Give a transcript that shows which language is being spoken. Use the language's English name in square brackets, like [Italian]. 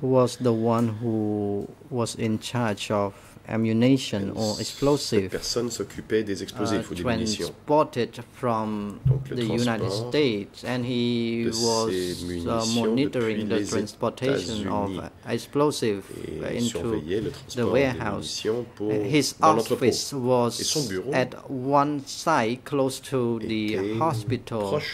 [English] Was the one who was in charge of ammunition or explosives. [French] Cette personne s'occupait des explosifs ou des munitions. [English] Transported from the United States, and he was monitoring the transportation of explosives into the warehouse. His office was at one site close to the hospital.